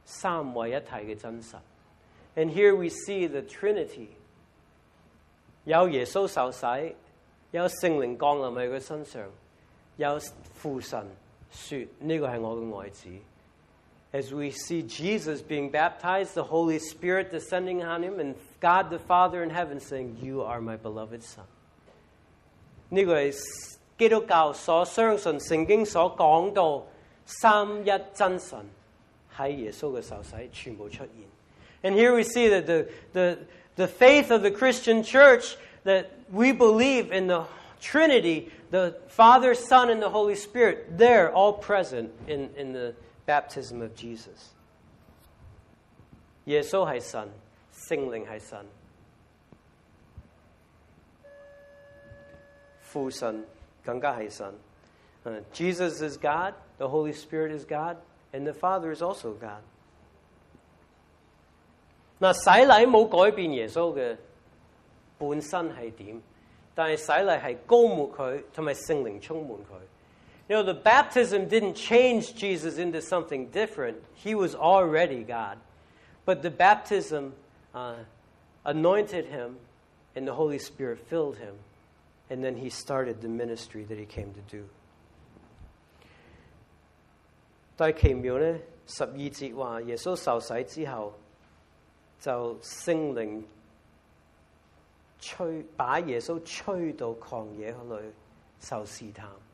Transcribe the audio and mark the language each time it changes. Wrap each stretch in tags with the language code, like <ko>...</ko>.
<zh>我们可以很清楚。我觉得很奇妙,这个我们见到三位一体的真实。</zh> <en>And here we see the Trinity.</en> <zh>有耶稣受洗, 有圣灵降临在他身上, 有父神说,这个是我的爱子。</zh> <en>As we see Jesus being baptized, the Holy Spirit descending on him, and God the Father in heaven saying, you are my beloved son.</en> <zh>这个是基督教所相信,圣经所讲到三一真神,在耶稣的受洗全部出现。</zh> <en>And here we see that the faith of the Christian church, that we believe in the Trinity, the Father, Son, and the Holy Spirit, they're all present in the baptism of Jesus.</en> <zh>耶稣是神，圣灵是神，父神更加是神。</zh> <en>Jesus is God, the Holy Spirit is God, and the Father is also God.</en> <zh>那洗礼没有改变耶稣的本身是怎样，但洗礼是高抹他，同埋圣灵充满他。</zh> <en>You know, the baptism didn't change Jesus into something different. He was already God. But the baptism anointed him, and the Holy Spirit filled him. And then he started the ministry that he came to do.</en> <zh>在奇妙呢，十二节说，耶稣受洗之后，就圣灵吹，把耶稣吹到旷野里受试探。</zh>